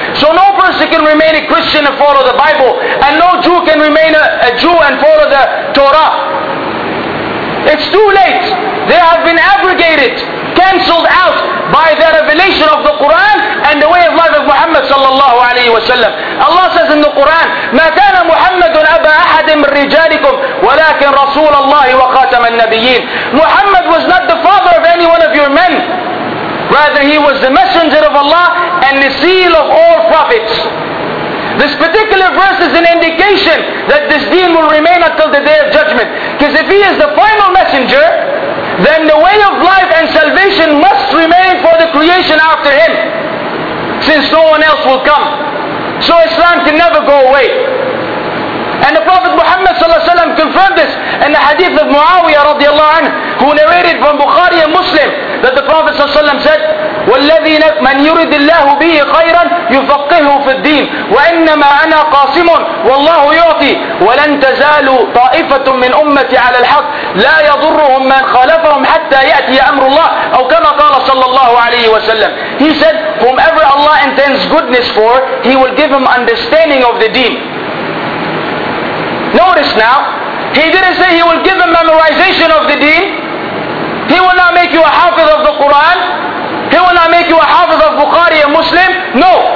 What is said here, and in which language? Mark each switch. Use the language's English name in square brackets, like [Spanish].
[English] So no person can remain a Christian and follow the Bible, and no Jew can remain a Jew and follow the Torah. It's too late. They have been abrogated, cancelled out by the revelation of the Quran and the way of life of Muhammad sallallahu alaihi wasallam. Allah says in the Quran, [Arabic] ما كان محمد أبا أحد من رجالكم ولكن رسول الله وخاتم النبيين. [English] Muhammad was not the father of any one of your men. Rather, he was the messenger of Allah and the seal of all prophets. This particular verse is an indication that this deen will remain until the day of judgment. Because if he is the final messenger, then the way of life and salvation must remain for the creation after him, since no one else will come. So Islam can never go away. And the Prophet Muhammad sallallahu alaihi wasallam confirmed this in the hadith of Muawiyah radiallahu anhu, who narrated from Bukhari and Muslim that the Prophet sallallahu alaihi wasallam said, [Arabic] والذي من يرد الله به خيرا يفقهه في الدين وإنما أنا قاسم والله يعطي ولن تزال طائفة من أمتي على الحق لا يضرهم من خالفهم حتى يأتي أمر الله أو كما قال صلى الله عليه وسلم. [English] He said, whomever Allah intends goodness for, he will give him understanding of the deen. Notice now, he didn't say he will give him memorization of the deen. He will not make you a hafiz of the Quran. He will not make you a hafiz of Bukhari and Muslim. No.